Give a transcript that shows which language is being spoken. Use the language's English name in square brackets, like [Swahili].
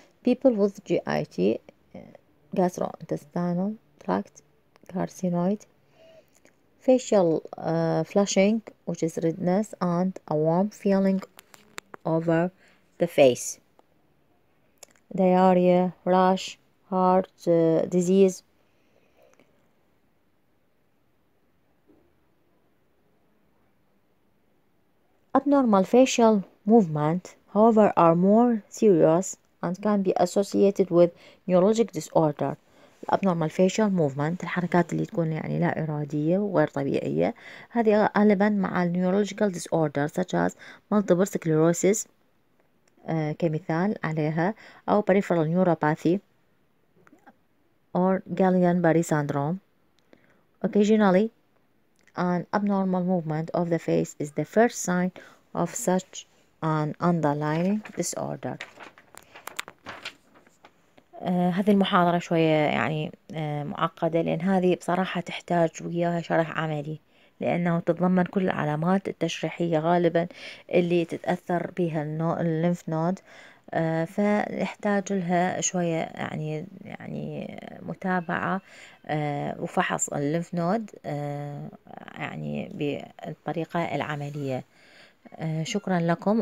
[English] People with GIT gastrointestinal tract carcinoid, facial flushing, which is redness, and a warm feeling over the face, diarrhea, rash, heart disease, abnormal facial movement, however, are more serious and can be associated with neurologic disorder. Abnormal facial movement [Arabic] الحركات اللي تكون يعني لا إرادية وغير طبيعية هذه غالبا مع [English] neurological disorder such as multiple sclerosis [Arabic] كمثال عليها أو [English] peripheral neuropathy or Guillain-Barré syndrome. Occasionally an abnormal movement of the face is the first sign of such an underlying disorder. [Arabic] هذه المحاضرة شوية يعني معقدة لأن هذه بصراحة تحتاج وياها شرح عملي لأنه تتضمن كل العلامات التشريحية غالبا اللي تتأثر بها الليمف نود فيحتاج لها شوية يعني متابعة وفحص الليمف نود يعني بالطريقة العملية. شكرا لكم.